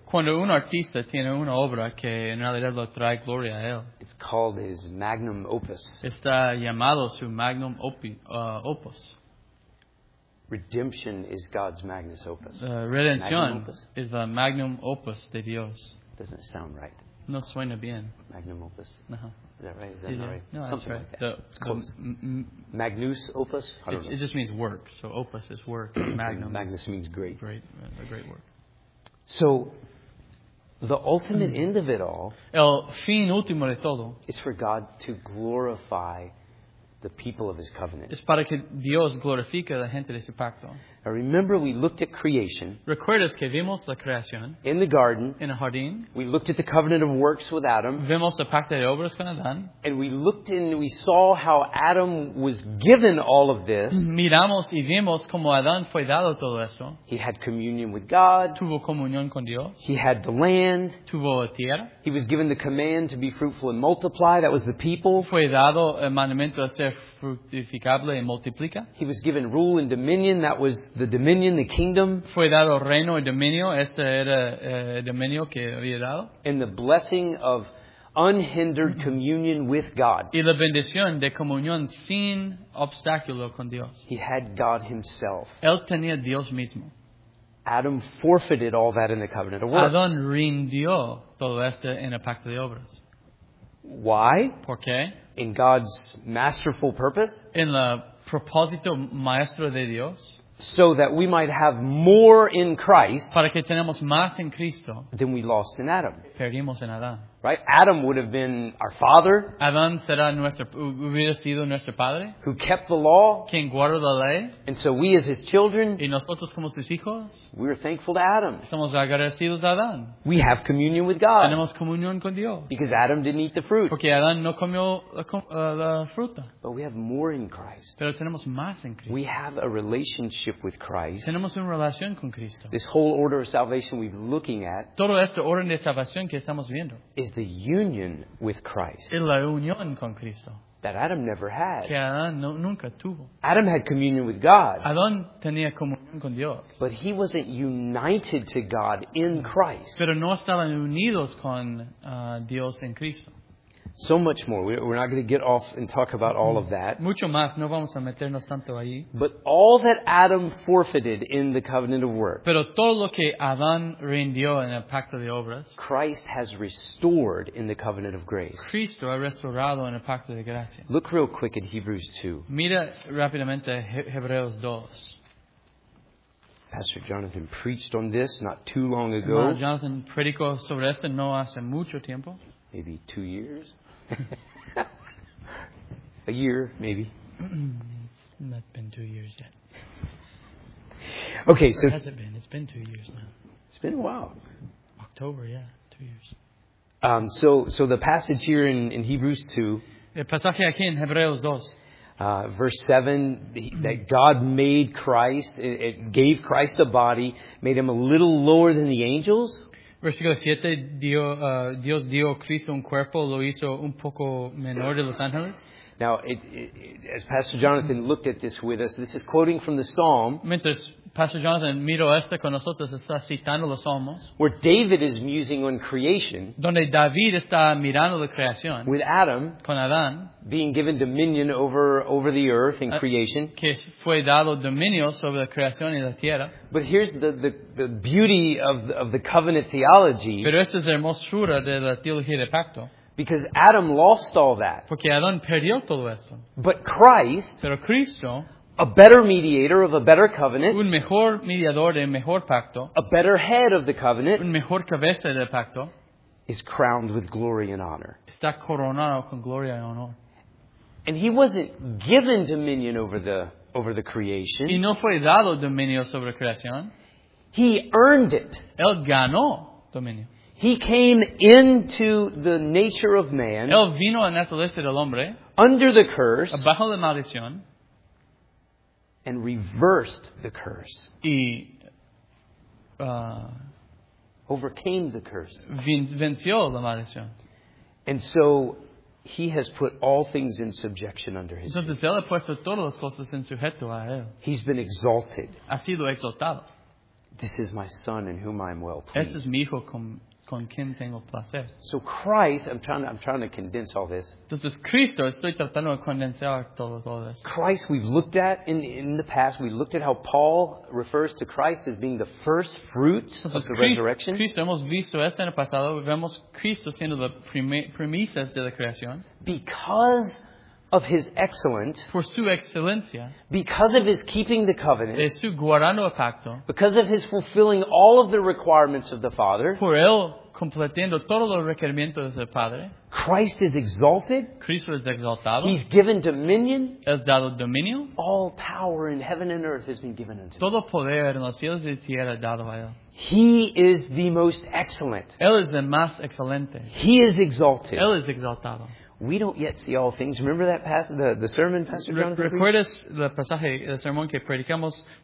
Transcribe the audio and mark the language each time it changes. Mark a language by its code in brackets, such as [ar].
[es] Cuando un artista tiene una obra que en realidad lo trae gloria a él. [en] It's called his magnum opus. [es] Está llamado su magnum opus. [en] Redemption is God's magnus opus. [es] Redención es la magnum opus de Dios. [en] Doesn't sound right. [es] No suena bien. [en] Magnum opus. Is that right? Something like that. Magnus opus? It just means work. So opus is work. Magnum. Magnus means great. Great. A great work. So the ultimate end of it all. [es] El fin último de todo. [en] Is for God to glorify the people of his covenant. [es] Es para que Dios glorifique la gente de su pacto. [en] Now remember, we looked at creation. [es] ¿Recuerdas que vimos la creación? [en] In the garden. [es] En el jardín. [en] We looked at the covenant of works with Adam. [es] Vimos el pacto de obras con Adán. [en] And we looked and we saw how Adam was given all of this. [es] Miramos y vimos cómo Adán fue dado todo esto. [en] He had communion with God. [es] Tuvo comunión con Dios. [en] He had the land. [es] Tuvo la tierra. [en] He was given the command to be fruitful and multiply. That was the people. [es] Fue dado el mandamiento a ser fructificable y multiplica. [en] He was given rule and dominion. That was the dominion, the kingdom. [es] Fue dado reino y dominio. Este era dominio que había dado. [en] And the blessing of unhindered communion with God. [es] Y la bendición de comunión sin obstáculo con Dios. [en] He had God himself. [es] Él tenía Dios mismo. [en] Adam forfeited all that in the covenant of works. [es] Adán rindió todo esto en el pacto de obras. [en] Why? [es] ¿Por qué? [en] In God's masterful purpose. [es] En el propósito maestro de Dios. [en] So that we might have more in Christ. [es] Para que tenemos más en Cristo. [en] Than we lost in Adam. [es] Perdimos en Adán. [en] Right? Adam would have been our father. [es] Adán será hubiera sido nuestro padre. [en] Who kept the law. [es] Quien guardó la ley. [en] And so we as his children. [es] Y nosotros como sus hijos. [en] We are thankful to Adam. [es] Somos agradecidos a Adán. [en] We have communion with God. [es] Tenemos comunión con Dios. [en] Because Adam didn't eat the fruit. [es] Porque Adán no comió la fruta. [en] But we have more in Christ. [es] Pero tenemos más en Cristo. [en] We have a relationship with Christ. [es] Tenemos una relación con Cristo. [en] This whole order of salvation we're looking at. [es] Todo este orden de salvación que estamos viendo. [en] Is the union with Christ. [es] En la unión con Cristo. [en] That Adam never had. [es] Que Adán no, nunca tuvo. [en] Adam had communion with God. [es] Adán tenía comunión con Dios. [en] But he wasn't united to God in Christ. [es] Pero no estaban unidos con Dios en Cristo. [en] So much more. We're not going to get off and talk about all of that. [es] Mucho más. No vamos a meternos tanto ahí. [en] But all that Adam forfeited in the covenant of works. [es] Pero todo lo que Adán rindió en el pacto de obras. [en] Christ has restored in the covenant of grace. [es] Cristo ha restaurado en el pacto de gracia. [en] Look real quick at Hebrews 2. [es] Mira rápidamente Hebreos 2. [en] Pastor Jonathan preached on this not too long ago. [es] Hermano Jonathan predicó sobre esto no hace mucho tiempo. [en] Maybe 2 years. A year, maybe. Not been 2 years yet. Okay, so. Or has it been? It's been 2 years now. It's been a while. October, yeah. 2 years. So the passage here in Hebrews 2. [es] El pasaje aquí en Hebreos 2. [en] Verse 7, that God made Christ, it gave Christ a body, made him a little lower than the angels. [es] Versículo 7, Dios dio a Cristo un cuerpo, lo hizo un poco menor de los ángeles. [en] Now, as Pastor Jonathan looked at this with us, this is quoting from the Psalm. [es] Mientras Pastor Jonathan miró esto con nosotros, está citando los Salmos. [en] Where David is musing on creation. [es] Donde David está mirando la creación. [en] With Adam. [es] Con Adán. [en] Being given dominion over the earth and creation. [es] Que fue dado dominio sobre la creación y la tierra. [en] But here's the beauty of the covenant theology. [es] Pero esta es la hermosura de la teología de pacto. [en] Because Adam lost all that. [es] Porque Adán perdió todo esto. [en] But Christ, [es] pero Cristo, [en] a better mediator of a better covenant, [es] un mejor mediador de mejor pacto, [en] a better head of the covenant, [es] un mejor cabeza del pacto, [en] is crowned with glory and honor. [es] Está coronado con gloria y honor. [en] And he wasn't given dominion over the creation. [es] Y no fue dado dominio sobre la creación. [en] He earned it. [es] Él ganó dominio. [en] He came into the nature of man. [es] Él vino a la naturaleza del hombre. [en] Under the curse. [es] Bajo la maldición. [en] And reversed the curse. [es] Y [en] overcame the curse. [es] Venció la maldición. [en] And so he has put all things in subjection under his feet. [es] Entonces él ha puesto todas las cosas en sujeto a él. [en] He's been exalted. [es] Ha sido exaltado. [en] This is my son in whom I am well pleased. [es] Este es mi hijo con quien tengo placer. [en] So Christ, I'm trying to convince all this. [es] Entonces Cristo, estoy tratando de convencer todo esto. [en] Christ, we've looked at in the past. We looked at how Paul refers to Christ as being the first fruit of the resurrection. [es] Cristo, hemos visto esto en el pasado. Vemos Cristo siendo la primicias de la creación. [en] Because of his excellence, [es] por su excelencia, [en] because of his keeping the covenant, [es] de su guardando el pacto, [en] because of his fulfilling all of the requirements of the Father, [es] por él completando todos los requerimientos del Padre, [en] Christ is exalted. [es] Cristo es exaltado. [en] He's given dominion. [es] Es dado dominio. [en] All power in heaven and earth has been given unto him. [es] Todo poder en los cielos y tierra dado a él. [en] He is the most excellent. [es] Él es el más excelente. [en] He is exalted. [es] Él es exaltado. [en] We don't yet see all things. Remember that passage, the sermon, Pastor Jonathan? [es] ¿Recuerdas el pasaje, el sermón que predicamos?